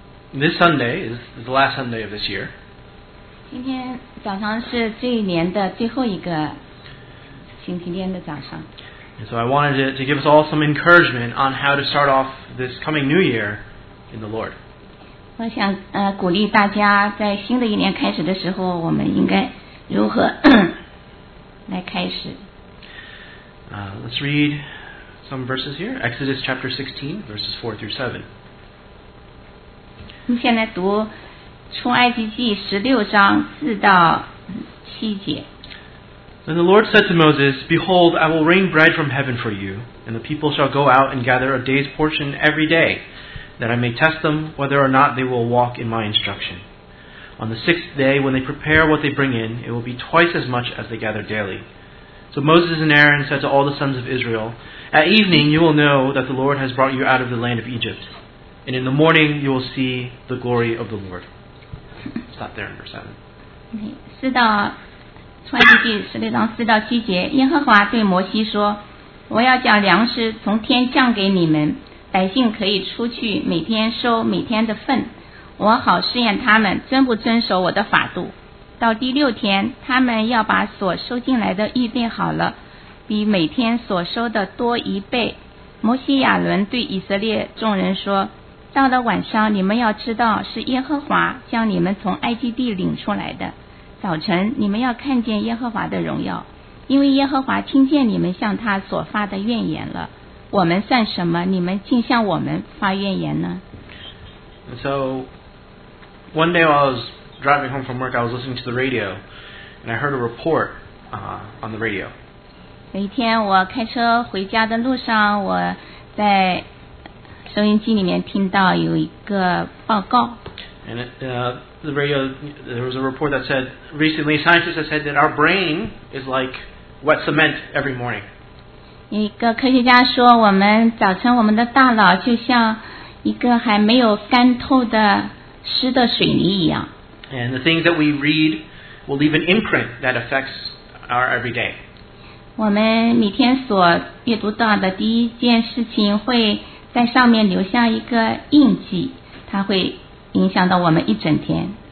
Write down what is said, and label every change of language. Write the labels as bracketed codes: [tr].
[en] This Sunday is the last Sunday of this year. [zh] 今天早上是这一年的最后一个星期天的早上。 [en] And so I wanted to give us all some encouragement on how to start off this coming new year in the Lord. [zh] 我想鼓励大家在新的一年开始的时候，我们应该如何来开始。 [en] Let's read some verses here. Exodus chapter 16, verses 4 through 7. [zh] 我们现在读出埃及记十六章四到七节。 [en] Then the Lord said to Moses, Behold, I will rain bread from heaven for you, and the people shall go out and gather a day's portion every day, that I may test them whether or not they will walk in my instruction. On the sixth day, when they prepare what they bring in, it will be twice as much as they gather daily. So Moses and Aaron said to all the sons of Israel, At evening you will know that the Lord has brought you out of the land of Egypt. And in the morning, you will see the glory of the Lord. Stop there in verse 7. [zh] 四到出埃及记十六章四到七节，耶和华对摩西说：“我要叫粮食从天降给你们，百姓可以出去每天收每天的份，我好试验他们遵不遵守我的法度。到第六天，他们要把所收进来的预备好了，比每天所收的多一倍。” 摩西、亚伦对以色列众人说。到了晚上，你们要知道是耶和华将你们从埃及地领出来的。早晨，你们要看见耶和华的荣耀，因为耶和华听见你们向他所发的怨言了。我们算什么？你们竟向我们发怨言呢 [en] ？And so, one day while I was driving home from work, I was listening to the radio, and I heard a report, on the radio. [zh] 有一天，我开车回家的路上，我在。收音机里面听到有一个报告。 [en] And the radio, there was a report that said recently scientists have said that our brain is like wet cement every morning. [zh] 一个科学家说，我们早晨我们的大脑就像一个还没有干透的湿的水泥一样。 [en] And the things that we read will leave an imprint that affects our everyday. [zh] 我们每天所阅读到的第一件事情会。在上面留下一个印记，它会影响到我们一整天。